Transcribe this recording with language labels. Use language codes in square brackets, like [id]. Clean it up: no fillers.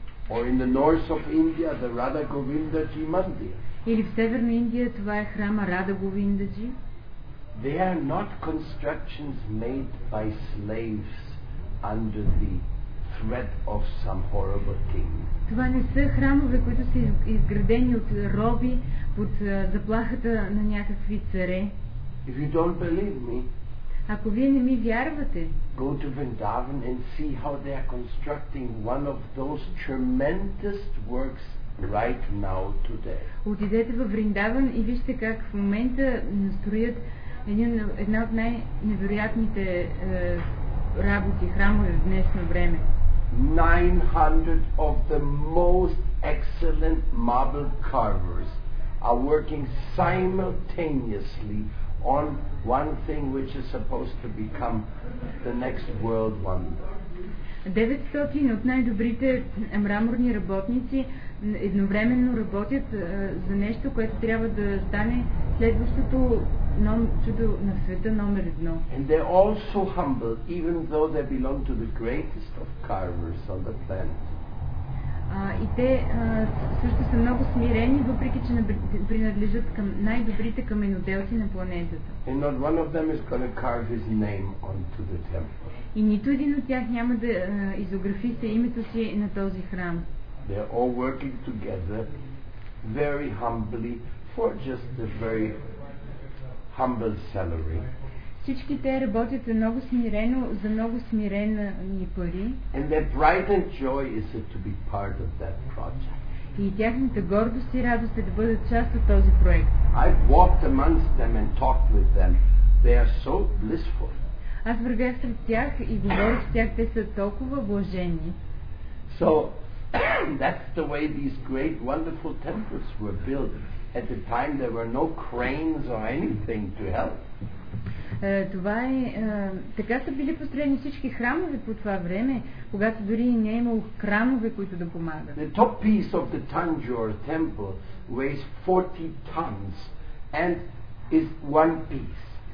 [en] Or in the north of India, the Radha Govindaji Mandir. [bg] Или в Северна Индия това е храма Радха Говиндаджи. [en] They are not constructions made by slaves under the threat of some horrible king. [bg] Това не са храмове, които са изградени от роби под заплахата на някакви царе. [en] If you don't believe me, [bg] ако вие не ми вярвате, [en] go to Vrindavan and see how they are constructing one of those tremendous works right now today. [bg] Отидете във Вриндаван и вижте как в момента строят една от най-невероятните работи, храмове в днешно време. [en] 900 of the most excellent marble carvers are working simultaneously on one thing which is supposed to become the next world wonder. [bg] 900 от най-добрите мраморни работници едновременно работят за нещо, което трябва да стане следващото чудо на света номер едно. [en] And they're all so humble, even though they belong to the greatest of carvers on the planet. [bg] И те също са много смирени, въпреки че принадлежат към най-добрите каменоделци на планетата. [en] And not one of them is going to carve his name onto the temple. [bg] И нито един от тях няма да изографисе името си на този храм. [en] They're all working together very humbly for just a very humble salary. [bg] Всички те работят много смирено за много смирени пари. [en] And their pride and joy is to be part of that project. [bg] И тяхната гордост и радост е да бъдат част от този проект. [en] I've walked amongst them and talked with them. They are so blissful. [bg] Аз вървях сред тях и говорих с тях, те са толкова блажени. [en] So that's the way these great wonderful temples were built. At the time there were no cranes or anything to help. [bg] Това е така са били построени всички храмове по това време, когато дори и не е имало кранове, които да помагат. [en] The top piece of the Tanjore temple weighs 40 tons and is one piece.